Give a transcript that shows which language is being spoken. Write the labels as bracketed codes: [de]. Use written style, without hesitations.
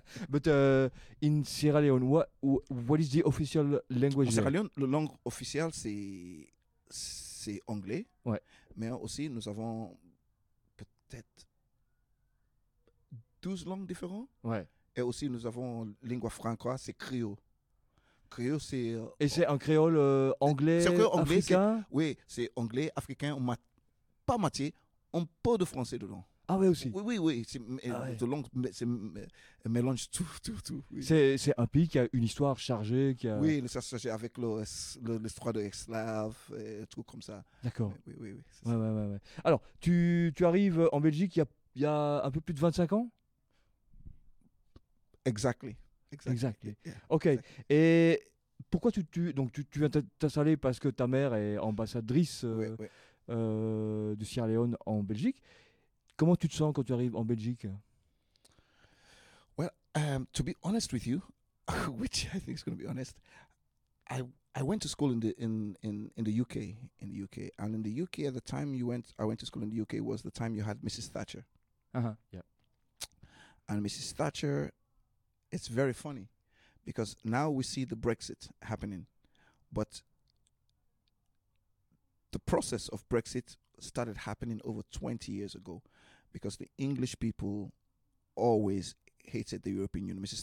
[en] But in Sierra Leone, what is the official language? [fr] Sierra Leone, la langue officielle, c'est anglais, mais aussi nous avons peut-être 12 langues différentes, et aussi nous avons lingua franca, c'est créole. Créole, c'est et c'est un créole anglais, c'est un créole anglais africain, c'est anglais africain, pas moitié, un peu de français dedans. Ah ouais aussi. Oui, c'est de langues, c'est mélange tout. Oui. C'est un pays qui a une histoire chargée, qui a. Oui, chargée avec l'histoire de l'esclave et tout comme ça. D'accord. Oui. Ouais. Alors, tu arrives en Belgique il y a un peu plus de 25 ans. [en] Exactly. Yeah. Ok. Exactly. [fr] Et pourquoi tu viens t'installer parce que ta mère est ambassadrice de Sierra Leone en Belgique. Comment tu te sens quand tu arrives en Belgique? [en] Well, to be honest with you, which I think is going to be honest, I went to school in the UK, and in the UK at the time I went to school in the UK was the time you had Mrs. Thatcher. And Mrs. Thatcher, it's very funny because now we see the Brexit happening, but the process of Brexit started happening over 20 years ago because the English people always hated the European Union. Mrs.